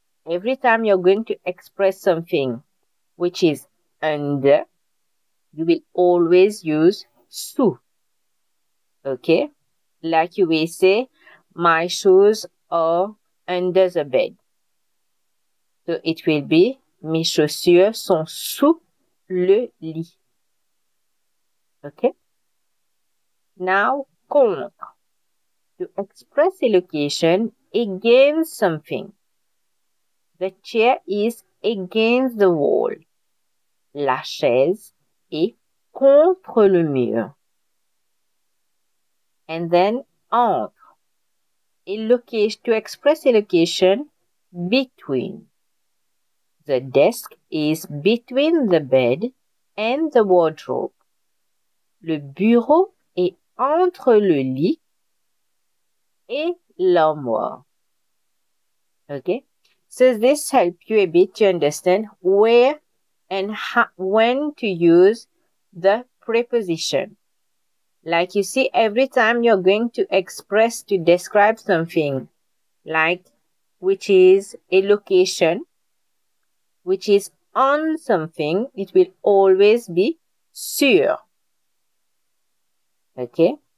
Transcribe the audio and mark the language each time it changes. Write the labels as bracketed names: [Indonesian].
[English] Every time you're going to express something which is under, you will always use sous. Okay? Like you will say, my shoes are under the bed. So it will be, [French] mes chaussures sont sous le lit. [English] Okay? Now, contre. To express a location against something. The chair is against the wall. [French] La chaise est contre le mur. [English] And then, entre. To express a location between. The desk is between the bed and the wardrobe. [French] Le bureau est entre le lit et l'armoire. [English] Okay? So this helps you a bit to understand where and when to use the preposition. Like you see, every time you're going to express, to describe something, like which is a location, which is on something, it will always be sur. Okay?